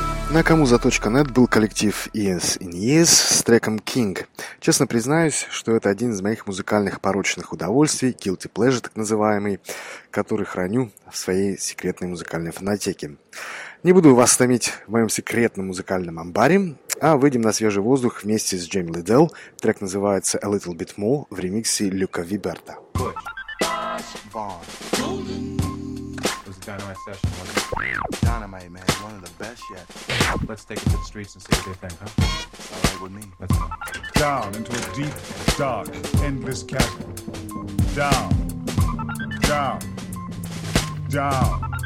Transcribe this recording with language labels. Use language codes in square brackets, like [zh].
[ru] Nakamuza.net был коллектив Years in Years с треком King. Честно признаюсь, что это один из моих музыкальных порочных удовольствий, [en] guilty pleasure [ru] так называемый, который храню в своей секретной музыкальной фонотеке. Не буду вас томить в моем секретном музыкальном амбаре, а выйдем на свежий воздух вместе с Джейми Лиделл. Трек называется A Little Bit More в ремиксе Люка Виберта. [en] Dynamite session, wasn't it? Dynamite, man. One of the best yet. Let's take it to the streets and see what they think, huh? It's all right with me. Let's go. Down into a deep, dark, endless chasm. Down. Down. Down.